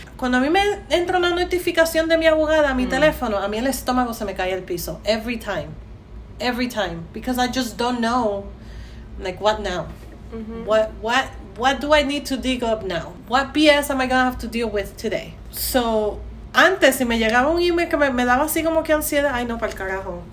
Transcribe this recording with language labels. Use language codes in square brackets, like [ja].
[es] Cuando a mí me entra una notificación de mi abogada a mi teléfono, a mí el estómago se me cae el piso. [en] Every time. Every time. Because I just don't know, like, what now? Mm-hmm. What do I need to dig up now? What BS am I going to have to deal with today? [es] So, antes, si me llegaba un email que me daba así como que ansiedad, ay, no, para el carajo.